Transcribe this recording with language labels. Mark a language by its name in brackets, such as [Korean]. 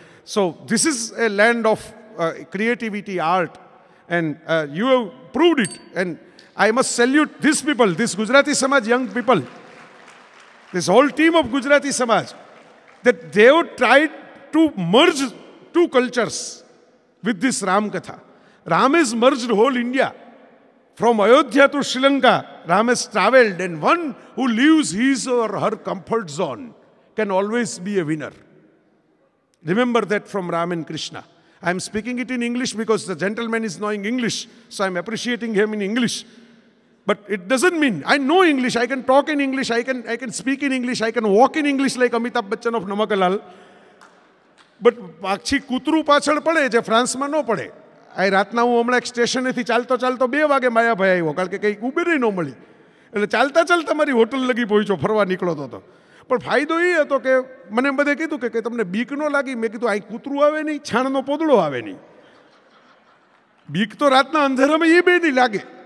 [English] So this is A land of creativity art and you have proved it and I must salute this people, this Gujarati સમાજ, young people, this hall team of Gujarati સમાજ, that Dev tried to merge two cultures with this Ramkatha. Ram is મર્જડ hall India. From Ayodhya to Sri Lanka, Ram has traveled, and one who leaves his or her comfort zone can always be a winner. Remember that from Ram and Krishna. I am speaking it in English because the gentleman is knowing English, so I am appreciating him in English. But it doesn't mean, I know English, I can talk in English, I can speak in English, I can walk in English like Amitabh Bachchan of Namakalal. [Gujarati] But akchi kutru pachal pade, je France ma no pade. આ રાતના હું હમણાં એક સ્ટેશનેથી ચાલતો ચાલતો 2 વાગે માયાભાઈ આવ્યો, કારણ કે કંઈ ઉબેરે ન મળી, એટલે ચાલતા ચાલતા મારી હોટલ લગી પહોંચ્યો, ફરવા નીકળતો હતો. પણ ફાયદો એ હતો કે મને બધે કીધું કે તમને બીક ન લાગી, મેં કીધું અહીં કૂતરું આવે નહીં, છાણનો પોદળો આવે નહીં, બીક તો રાતના અંધારામાં એ બે નહીં લાગે.